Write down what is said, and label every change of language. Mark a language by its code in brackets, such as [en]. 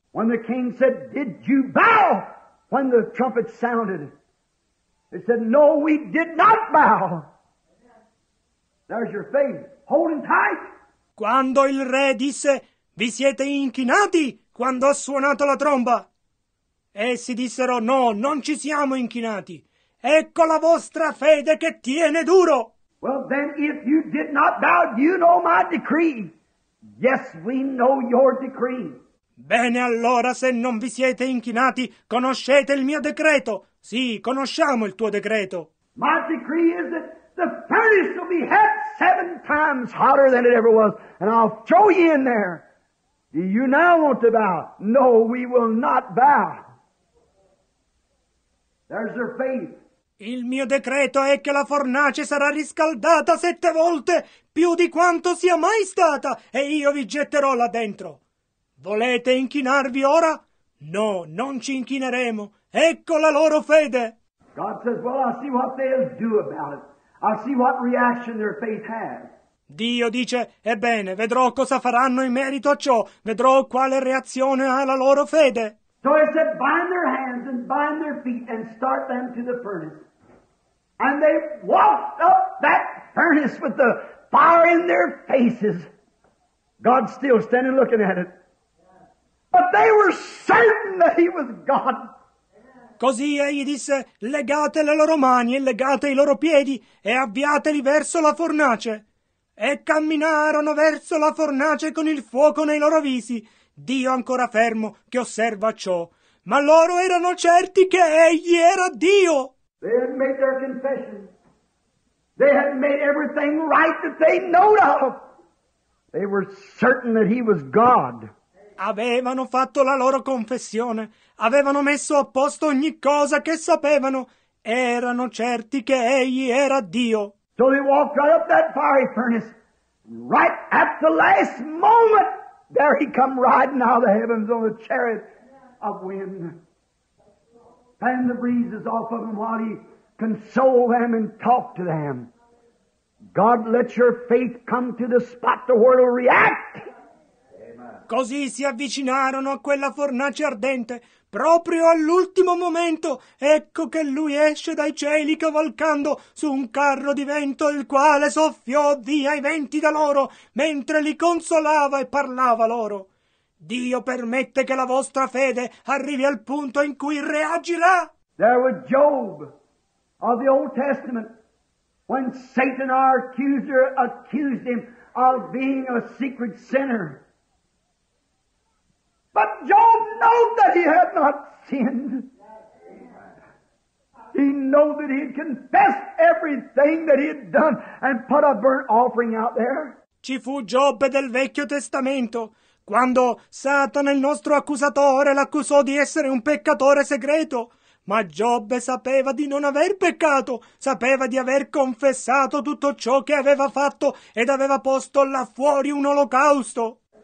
[en] When the king said, "Did you bow?" When the trumpet sounded, they said, "No, we did not bow." There's your faith, holding tight. [it] Quando il re disse, "Vi siete inchinati?" Quando ha suonato la tromba, essi dissero, "No, non ci siamo inchinati." Ecco la vostra fede che tiene duro. [en] Well, then, if you did not bow, you know my decree. Yes, we know your decree. [it] Bene, allora, se non vi siete inchinati, conoscete il mio decreto. Sì, conosciamo il tuo decreto. [en] My decree is that the furnace will be hot 7 times hotter than it ever was, and I'll throw you in there. Do you now want to bow? No, we will not bow. There's your faith. [it] Il mio decreto è che la fornace sarà riscaldata 7 volte più di quanto sia mai stata e io vi getterò là dentro. Volete inchinarvi ora? No, non ci inchineremo. Ecco la loro fede. [en] God says, "Well, I see what they'll do about it. I see what reaction their faith has." [it] Dio dice, "Ebbene, vedrò cosa faranno in merito a ciò. Vedrò quale reazione ha la loro fede." [en] So he said, "Bind their hands and bind their feet and start them to the furnace." And they walked up that furnace with the fire in their faces. God still standing looking at it. But they were certain that he was God. [it] Così egli disse, "Legate le loro mani e legate i loro piedi e avviateli verso la fornace." E camminarono verso la fornace con il fuoco nei loro visi. Dio ancora fermo che osserva ciò. Ma loro erano certi che egli era Dio. [en] They had made their confession. They had made everything right that they knew of. They were certain that he was God. [it] Avevano fatto la loro confessione. Avevano messo a posto ogni cosa che sapevano. Erano certi che egli era Dio. [en] So they walked right up that fiery furnace. Right at the last moment, there he come riding out of the heavens on a chariot of wind. Fanned the breezes off of them while he consoled them and talked to them. God, let your faith come to the spot the world will react. Amen. [it] Così si avvicinarono a quella fornace ardente. Proprio all'ultimo momento, ecco che lui esce dai cieli cavalcando su un carro di vento il quale soffiò via i venti da loro mentre li consolava e parlava loro. Dio permette che la vostra fede arrivi al punto in cui reagirà. [en] There was Job of the Old Testament when Satan, our accuser, accused him of being a secret sinner. But Job knew that he had not sinned. He knew that he had confessed everything that he had done and put a burnt offering out there. [it] Ci fu Job del Vecchio Testamento. Quando Satana, il nostro accusatore, l'accusò di essere un peccatore segreto, ma Giobbe sapeva di non aver peccato, sapeva di aver confessato tutto ciò che aveva fatto ed aveva posto là fuori un olocausto.